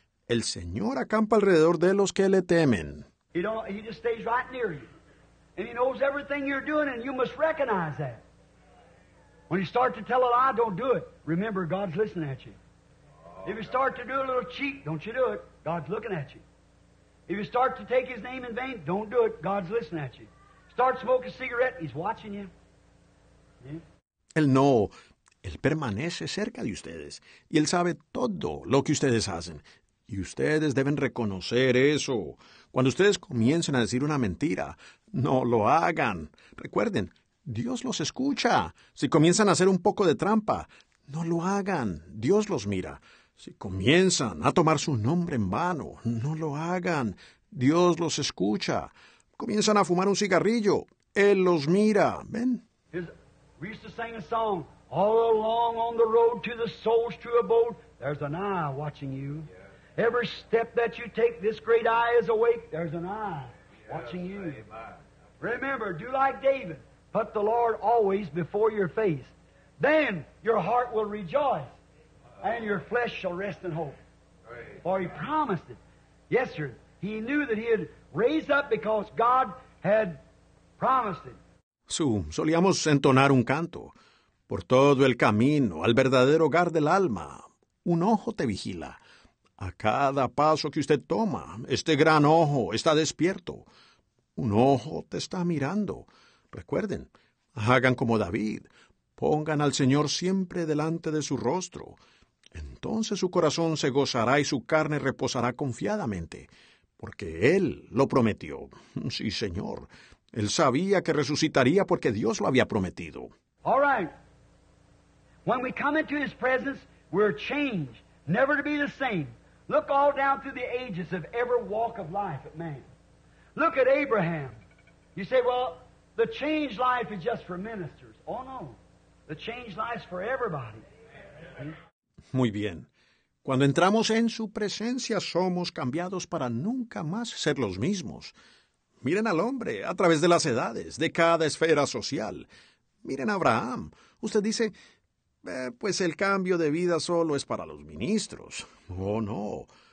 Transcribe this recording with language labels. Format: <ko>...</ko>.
<es>El Señor acampa alrededor de los que le temen.</es> <en>He just stays right near you. And he knows everything you're doing, and you must recognize that. When you start to tell a lie, don't do it. Remember, God's listening at you. If you start to do a little cheat, don't you do it. God's looking at you. If you start to take his name in vain, don't do it. God's listening at you. Start smoking a cigarette, he's watching you.</en> <es>Él no. Él permanece cerca de ustedes. Y él sabe todo lo que ustedes hacen. Y ustedes deben reconocer eso. Cuando ustedes comiencen a decir una mentira, no lo hagan. Recuerden, Dios los escucha. Si comienzan a hacer un poco de trampa, no lo hagan. Dios los mira. Si comienzan a tomar su nombre en vano, no lo hagan. Dios los escucha. Comienzan a fumar un cigarrillo. Él los mira. ¿Ven?</es> <en>We used to sing a song. All along on the road to the soul's true abode, there's an eye watching you. Every step that you take, this great eye is awake. There's an eye watching you. Remember, do like David. Put the Lord always before your face. Then your heart will rejoice. And your flesh shall rest in hope. For he promised it. Yes, sir. He knew that he had raised up because God had promised it.</en> <es>Solíamos entonar un canto. Por todo el camino, al verdadero hogar del alma, un ojo te vigila. A cada paso que usted toma, este gran ojo está despierto. Un ojo te está mirando. Recuerden, hagan como David. Pongan al Señor siempre delante de su rostro. Entonces su corazón se gozará y su carne reposará confiadamente, porque Él lo prometió. Sí, Señor. Él sabía que resucitaría porque Dios lo había prometido.</es> <en>All right. When we come into His presence, we're changed, never to be the same. Look all down through the ages of every walk of life at man. Look at Abraham. You say, well, the changed life is just for ministers. Oh, no. The changed life is for everybody.</en> <es>Muy bien. Cuando entramos en su presencia, somos cambiados para nunca más ser los mismos. Miren al hombre a través de las edades, de cada esfera social. Miren a Abraham. Usted dice, pues el cambio de vida solo es para los ministros. Oh, no.</es>